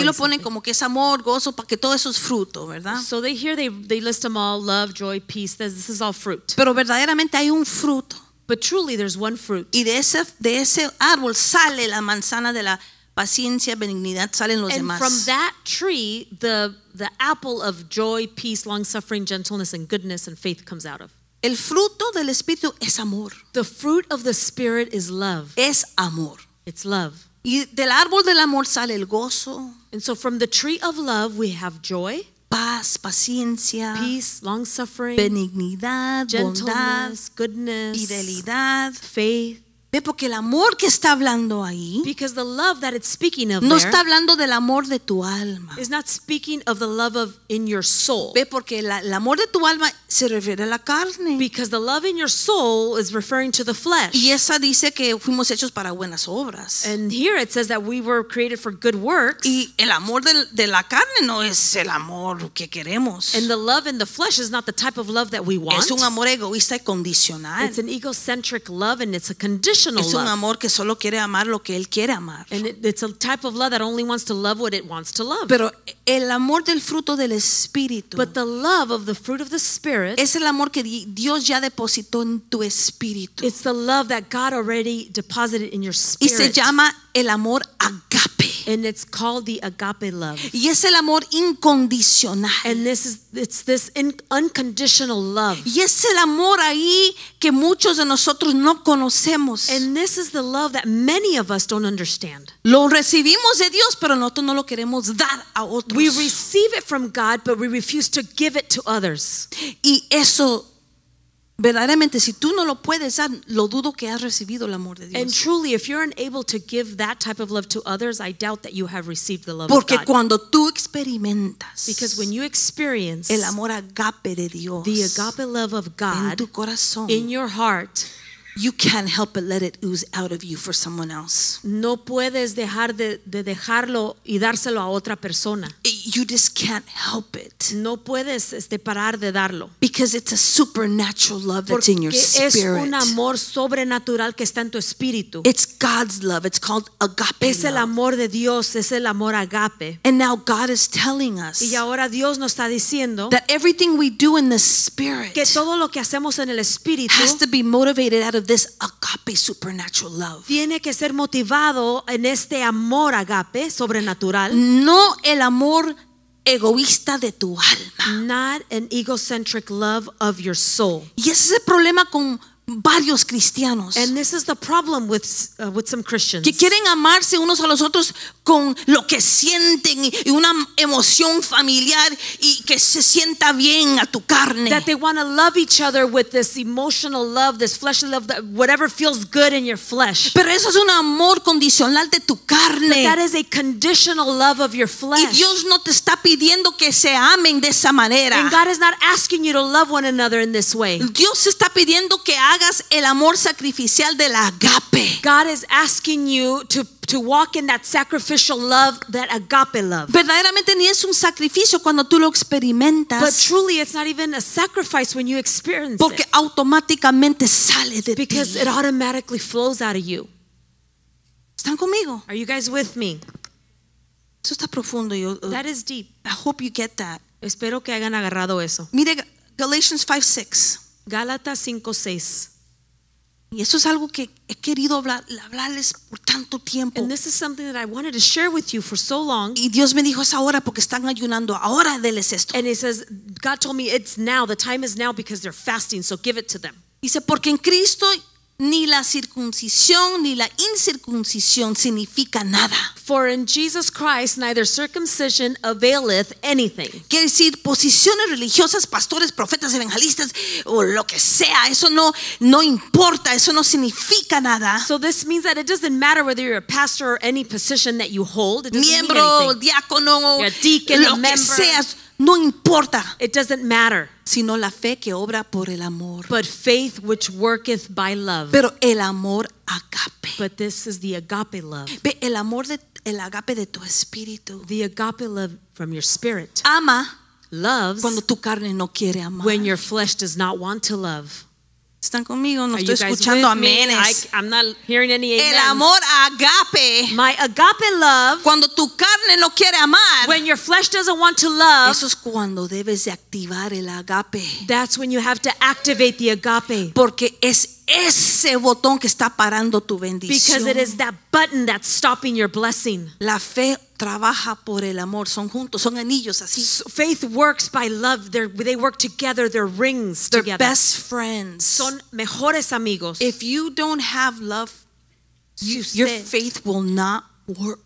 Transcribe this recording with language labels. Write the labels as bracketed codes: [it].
[es] aquí lo ponen como que es amor, gozo, para que todo eso es fruto, ¿verdad? [en] So they here they list them all, love, joy, peace. This is all fruit. [es] Pero verdaderamente hay un fruto. [en] But truly there's one fruit. [es] Y de ese árbol sale la manzana de la paciencia, benignidad, salen los [en] and [es] demás. [en] And from that tree the apple of joy, peace, long suffering, gentleness and goodness and faith comes out of. [es] El fruto del espíritu es amor. [en] The fruit of the spirit is love. [es] Es amor. [en] It's love. [es] Y del árbol del amor sale el gozo. [en] And so from the tree of love we have joy, [es] paz, paciencia, [en] peace, long suffering, [es] benignidad, [en] gentleness, [es] bondad, [en] goodness, [es] fidelidad, [en] faith. [es] Ve porque el amor que está hablando ahí, [en] because the love that it's speaking of [es] no [en] there, [es] está hablando del amor de tu alma, [en] is not speaking of the love of in your soul. [es] Ve porque el amor de tu alma se refiere a la carne, [en] because the love in your soul is referring to the flesh. [es] Y esa dice que fuimos hechos para buenas obras. [en] And here it says that we were created for good works. [es] Y el amor de la carne no es el amor que queremos. [en] And the love in the flesh is not the type of love that we want. [es] Es un amor egoísta y condicional. [en] It's an egocentric love and it's a conditional. [es] Es un amor que solo quiere amar lo que él quiere amar. [en] And it's a type of love that only wants to love what it wants to love. [es] Pero el amor del fruto del espíritu, [en] but the love of the fruit of the spirit, [es] es el amor que Dios ya depositó en tu espíritu. [en] It's the love that God already deposited in your spirit. [es] Y se llama el amor agape. [en] And it's called the agape love. [es] Y es el amor incondicional. [en] And this is unconditional love. [es] Y es el amor ahí que muchos de nosotros no conocemos. [en] And this is the love that many of us don't understand. [es] Lo recibimos de Dios, pero nosotros no lo queremos dar a otros. [en] We receive it from God, but we refuse to give it to others. [es] Y eso verdaderamente, si tú no lo puedes dar, lo dudo que has recibido el amor de Dios. [en] And truly, if you're unable to give that type of love to others, I doubt that you have received the love [es] porque [en] of God. [es] Porque cuando tú experimentas, [en] because when you experience [es] el amor agape de Dios, [en] the agape love of God, [es] en tu corazón, [en] in your heart, you can't help but let it ooze out of you for someone else. [es] No puedes dejar de dejarlo y dárselo a otra persona. [en] You just can't help it. [es] No puedes parar de darlo. [en] Because it's a supernatural love [es] porque [en] that's in your [es] es [en] spirit. [es] Un amor sobrenatural que está en tu espíritu. [en] It's God's love. It's called agape. [es] Es el amor de Dios. Es el amor agape. [en] And now God is telling us. [es] Y ahora Dios nos está diciendo [en] that everything we do in the spirit, [es] que todo lo que hacemos en el espíritu, [en] has to be motivated out of this agape supernatural love. [es] Tiene que ser motivado en este amor agape sobrenatural. No el amor egoísta de tu alma. [en] Not an egocentric love of your soul. [es] Y ese es el problema con varios cristianos. [en] And this is the problem with some Christians. [es] Que quieren amarse unos a los otros con lo que sienten y una emoción familiar y que se sienta bien a tu carne. [en] That they want to love each other with this emotional love, this fleshly love, that whatever feels good in your flesh. [es] Pero eso es un amor condicional de tu carne. [en] But that is a conditional love of your flesh. [es] Y Dios no te está pidiendo que se amen de esa manera. [en] And God is not asking you to love one another in this way. [es] Dios está pidiendo que hagas el amor sacrificial del agape. [en] God is asking you to walk in that sacrificial love, that agape love. [es] Verdaderamente ni es un sacrificio cuando tú lo experimentas. [en] But truly it's not even a sacrifice when you experience it. [es] Porque automáticamente sale de ti. [en] Because it automatically flows out of you. [es] ¿Están conmigo? [en] Are you guys with me? [es] Eso está profundo. [en] That is deep. I hope you get that. [es] Espero que hayan agarrado eso. Mire Galatians 5:6. Gálatas 5:6. Y eso es algo que he querido hablarles por tanto tiempo. [en] And this is something that I wanted to share with you for so long. [es] Y Dios me dijo, es ahora porque están ayunando. Ahora deles esto. [en] And he says, God told me it's now, the time is now because they're fasting, so give it to them. [es] Dice, porque en Cristo ni la circuncisión ni la incircuncisión significa nada. [en] For in Jesus Christ neither circumcision availeth anything. [es] Quiere decir posiciones religiosas, pastores, profetas, evangelistas o lo que sea, eso no importa, eso no significa nada. [en] So this means that it doesn't matter whether you're a pastor or any position that you hold. [es] Miembro, diácono, [en] you're a deacon, [es] lo [en] a member, [es] que seas, no importa. [en] It doesn't matter. [es] Sino la fe que obra por el amor. [en] But faith which worketh by love. [es] Pero el amor agape. [en] But this is the agape love. [es] Ve, el amor de el agape de tu espíritu. [en] The agape love from your spirit. [es] Ama. [en] Loves. [es] Cuando tu carne no quiere amar. [en] When your flesh does not want to love. [es] ¿Están conmigo? No estoy escuchando amenes. [en] I'm not hearing any amens. [es] El amor agape. [en] My agape love. [es] Cuando tu carne no quiere amar. [en] When your flesh doesn't want to love. [es] Eso es cuando debes de activar el agape. [en] That's when you have to activate the agape. [es] Porque es ese botón que está parando tu bendición. [en] Because it is that button that's stopping your blessing. [es] La fe trabaja por el amor. Son juntos. Son anillos así. [en] So faith works by love. They work together. They're rings they're together. They're best friends. [es] Son mejores amigos. [en] If you don't have love, your faith will not work.